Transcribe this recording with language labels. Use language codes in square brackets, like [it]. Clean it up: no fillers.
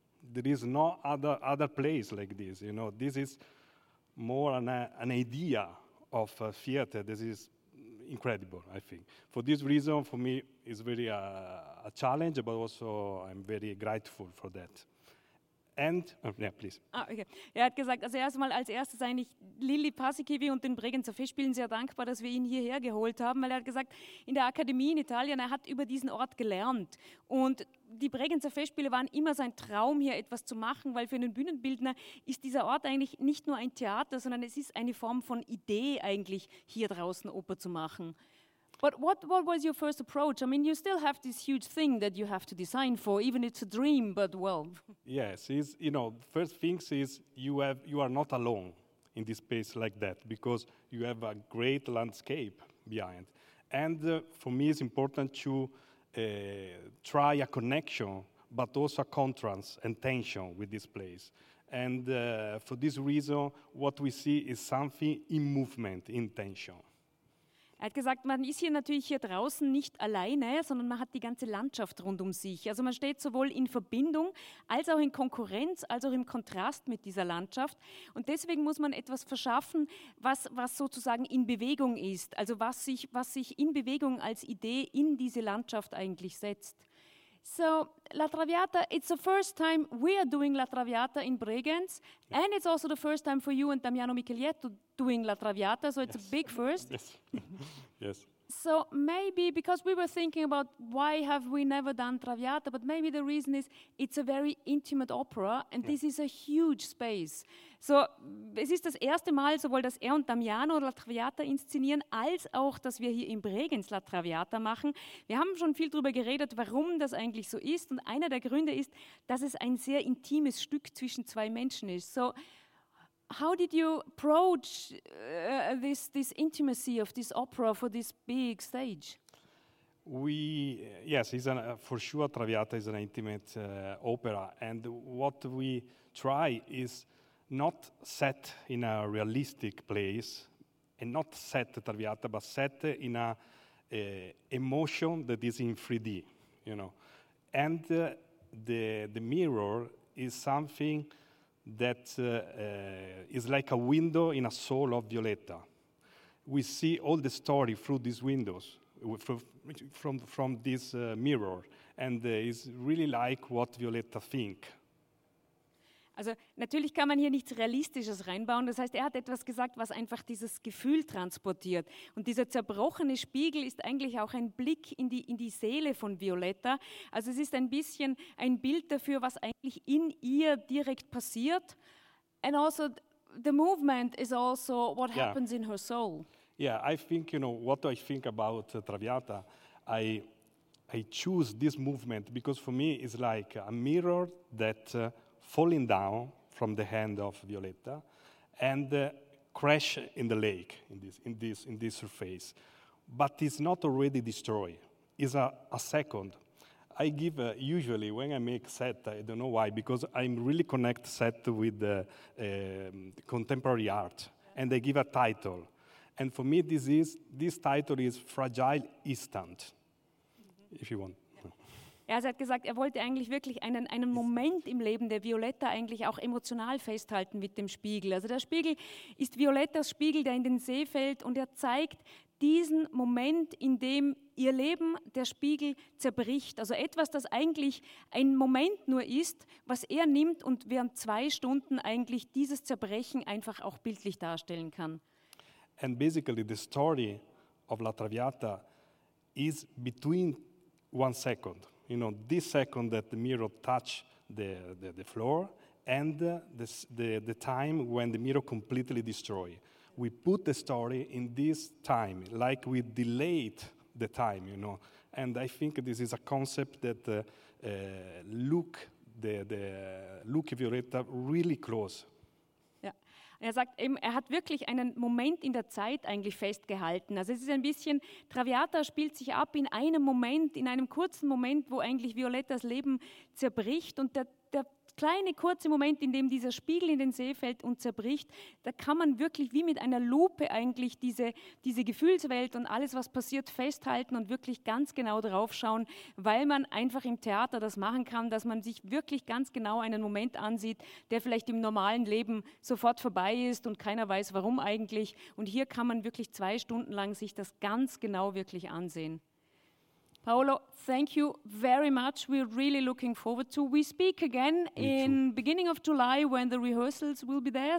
[en] There is no other place like this, you know. This is more an idea of a theater. This is incredible, I think. For this reason, for me, it's really a challenge, but also I'm very grateful for that. And, yeah, please. Ah, okay. [de] Er hat gesagt, also erstmal als erstes eigentlich Lili Paasikivi und den Bregenzer Festspielen sehr dankbar, dass wir ihn hierher geholt haben, weil er hat gesagt, in der Akademie in Italien, er hat über diesen Ort gelernt und die Bregenzer Festspiele waren immer sein Traum, hier etwas zu machen, weil für einen Bühnenbildner ist dieser Ort eigentlich nicht nur ein Theater, sondern es ist eine Form von Idee eigentlich, hier draußen Oper zu machen. [en] But what was your first approach? I mean, you still have this huge thing that you have to design for, even it's a dream, but well. Yes, is you know, first things is you are not alone in this space like that, because you have a great landscape behind. And for me, it's important to try a connection, but also a contrast and tension with this place. And for this reason, what we see is something in movement, in tension. [de] Er hat gesagt, man ist hier natürlich hier draußen nicht alleine, sondern man hat die ganze Landschaft rund um sich. Also man steht sowohl in Verbindung als auch in Konkurrenz, als auch im Kontrast mit dieser Landschaft. Und deswegen muss man etwas verschaffen, was sozusagen in Bewegung ist. Also was sich in Bewegung als Idee in diese Landschaft eigentlich setzt. [en] So, La Traviata, it's the first time we are doing La Traviata in Bregenz, yeah. And it's also the first time for you and Damiano Michelietto doing La Traviata, so it's yes. A big first. Yes. Yes. So maybe, because we were thinking about why have we never done Traviata, but maybe the reason is it's a very intimate opera and yeah. This is a huge space. [de] So es ist das erste Mal, sowohl dass er und Damiano La Traviata inszenieren, als auch, dass wir hier in Bregenz La Traviata machen. Wir haben schon viel darüber geredet, warum das eigentlich so ist. Und einer der Gründe ist, dass es ein sehr intimes Stück zwischen zwei Menschen ist. [en] So how did you approach this intimacy of this opera for this big stage? Traviata is an intimate opera. And what we try is not set in a realistic place, and not set Traviata, but set in a emotion that is in 3D, you know. And the mirror is something that is like a window in a soul of Violetta. We see all the story through these windows, from this mirror, and it's really like what Violetta thinks. [de] Also natürlich kann man hier nichts Realistisches reinbauen. Das heißt, er hat etwas gesagt, was einfach dieses Gefühl transportiert. Und dieser zerbrochene Spiegel ist eigentlich auch ein Blick in die Seele von Violetta. Also es ist ein bisschen ein Bild dafür, was eigentlich in ihr direkt passiert. [en] And also the movement is also what happens in her soul. Yeah, I think, you know, what do I think about Traviata? I choose this movement because for me it's like a mirror that falling down from the hand of Violetta and crash in the lake in this surface, but it's not already destroyed. It's a second. I give usually when I make set, I don't know why, because I'm really connect set with contemporary art, and I give a title, and for me this title is Fragile Instant. If you want. [de] Ja, sie hat gesagt, er wollte eigentlich wirklich einen Moment im Leben der Violetta eigentlich auch emotional festhalten mit dem Spiegel. Also der Spiegel ist Violettas Spiegel, der in den See fällt, und er zeigt diesen Moment, in dem ihr Leben, der Spiegel, zerbricht. Also etwas, das eigentlich ein Moment nur ist, was er nimmt und während 2 Stunden eigentlich dieses Zerbrechen einfach auch bildlich darstellen kann. [en] And basically the story of La Traviata is between 1 second, you know, this second that the mirror touch the floor and the time when the mirror completely destroy. We put the story in this time, like we delayed the time, you know. And I think this is a concept that Luke Violetta really close. [de] Er sagt eben, er hat wirklich einen Moment in der Zeit eigentlich festgehalten. Also es ist ein bisschen, Traviata spielt sich ab in einem Moment, in einem kurzen Moment, wo eigentlich Violettas Leben zerbricht. Und der kleine kurze Moment, in dem dieser Spiegel in den See fällt und zerbricht, da kann man wirklich wie mit einer Lupe eigentlich diese Gefühlswelt und alles, was passiert, festhalten und wirklich ganz genau drauf schauen, weil man einfach im Theater das machen kann, dass man sich wirklich ganz genau einen Moment ansieht, der vielleicht im normalen Leben sofort vorbei ist und keiner weiß, warum eigentlich. Und hier kann man wirklich 2 Stunden lang sich das ganz genau wirklich ansehen. [en] Paolo, thank you very much. We're really looking forward to. We speak again beginning of July when the rehearsals will be there.